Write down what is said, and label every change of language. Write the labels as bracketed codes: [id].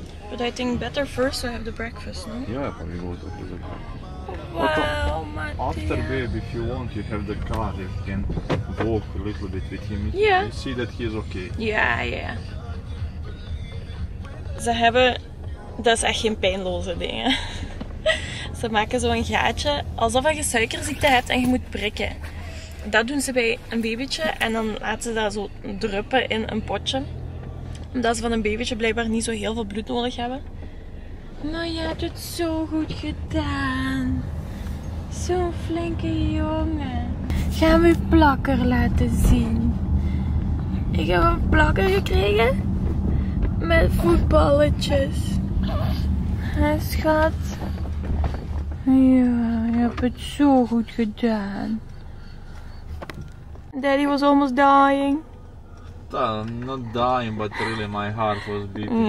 [en] But I think better first to have the breakfast, no? [nl] Ja, van die grote breakfast. [en] Wow, man. After, babe, if you want, you have the car. You can walk a little bit with him. Yeah. You see that he is okay. Yeah, yeah. [nl] Ze hebben, dat is echt geen pijnloze dingen. Ze maken zo'n gaatje, alsof je suikerziekte hebt en je moet prikken. Dat doen ze bij een babytje en dan laten ze dat zo druppen in een potje. Omdat ze van een babytje blijkbaar niet zo heel veel bloed nodig hebben. Maar je hebt het zo goed gedaan. Zo'n flinke jongen. Ga hem je plakker laten zien. Ik heb een plakker gekregen. Met voetballetjes. Hé, schat. Ja, je hebt het zo goed gedaan. [en] Daddy was almost dying. Not dying, but really my heart was beating.